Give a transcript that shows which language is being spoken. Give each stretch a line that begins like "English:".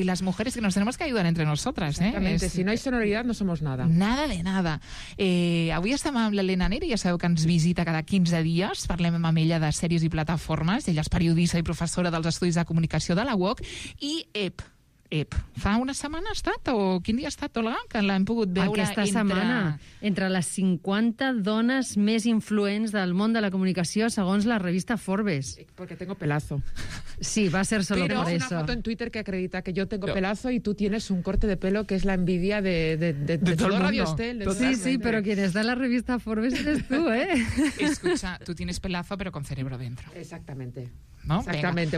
Spanish: Y las mujeres que nos tenemos que ayudar entre nosotras, ¿eh? Exactamente, si no hay sonoridad no somos nada. Nada de nada.
Catalan: Avui estem amb l'Elena Neri, ja sabeu que ens visita cada 15 dies. Parlem amb ella de sèries i plataformes. Ella és periodista i professora dels estudis de comunicació de la UOC. I fa una setmana ha estat, o quin dia ha estat, Olga, que l'hem pogut veure aquesta setmana, entre les 50 dones més influents del món de la comunicació, segons la revista Forbes.
Spanish: Porque tengo pelazo. Sí, va a ser solo por eso. Pero es una foto en Twitter que acredita que yo tengo pelazo y tú tienes un corte de pelo que es la envidia de todo el mundo. Sí, sí, pero quien está en la revista Forbes eres tú, ¿eh? Escucha, tú tienes pelazo, pero con cerebro dentro. Exactamente. ¿No? Exactamente,